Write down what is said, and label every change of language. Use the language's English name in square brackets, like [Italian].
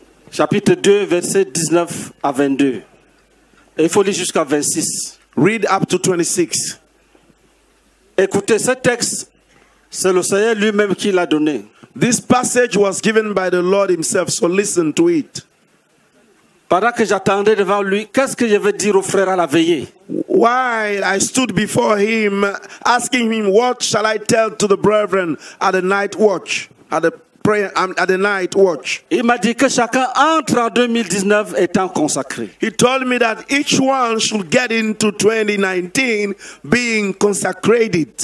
[French] Chapitre 2, verset 19 à 22. Il faut lire jusqu'à 26. [English] Read up to 26. [French] Écoutez, ce texte, c'est le Seigneur lui-même qui l'a donné. [English] This passage was given by the Lord himself, so listen to it. [French] Pendant que j'attendais devant lui, qu'est-ce que je vais dire au frère à la veillée? [English] While I stood before him, asking him, what shall I tell to the brethren at the night watch, at the prayer, at the night watch? [French] Il m'a dit que chacun entre en 2019 étant consacré. [English] He told me that each one should get into 2019 being consecrated.